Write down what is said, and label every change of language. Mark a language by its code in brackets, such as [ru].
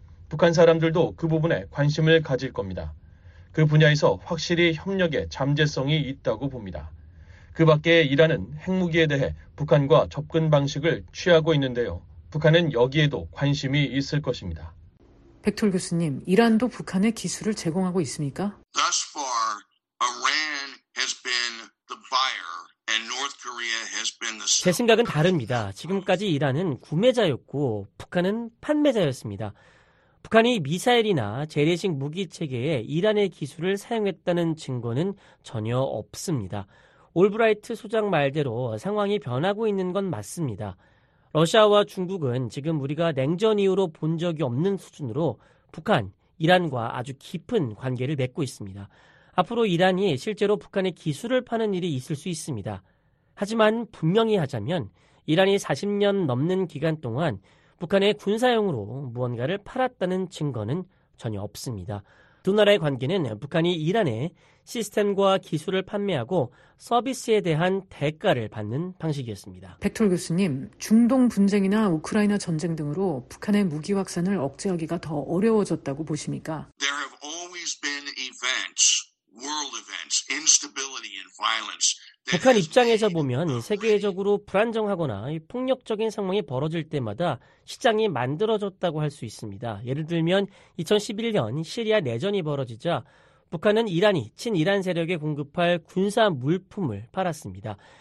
[ko] 북한 사람들도 그 부분에 관심을 가질 겁니다. 그 분야에서 확실히 협력의 잠재성이 있다고 봅니다. 그 밖에 이란은 핵무기에 대해 북한과 접근 방식을 취하고 있는데요. 북한은 여기에도 관심이 있을 것입니다. 백톨 교수님, 이란도 북한의 기술을 제공하고 있습니까? [en] Thus far, Iran has been the buyer and North Korea has been the seller. [ko] 제 생각은 다릅니다. 지금까지 이란은 구매자였고 북한은 판매자였습니다. 북한이 미사일이나 재래식 무기 체계에 이란의 기술을 사용했다는 증거는 전혀 없습니다. 올브라이트 소장 말대로 상황이 변하고 있는 건 맞습니다. 러시아와 중국은 지금 우리가 냉전 이후로 본 적이 없는 수준으로 북한, 이란과 아주 깊은 관계를 맺고 있습니다. 앞으로 이란이 실제로 북한의 기술을 파는 일이 있을 수 있습니다. 하지만 분명히 하자면 이란이 40년 넘는 기간 동안 북한의 군사용으로 무언가를 팔았다는 증거는 전혀 없습니다. 두 나라의 관계는 북한이 이란에 시스템과 기술을 판매하고 서비스에 대한 대가를 받는 방식이었습니다. 백톨 교수님, 중동 분쟁이나 우크라이나 전쟁 등으로 북한의 무기 확산을 억제하기가 더 어려워졌다고 보십니까? [en] There have always been events, world events, instability and violence. [ko] 북한 입장에서 보면 세계적으로 불안정하거나 폭력적인 상황이 벌어질 때마다 시장이 만들어졌다고 할 수 있습니다. 예를 들면 2011년 시리아 내전이 벌어지자 북한은 이란이 친이란 세력에 공급할 군사 물품을 팔았습니다.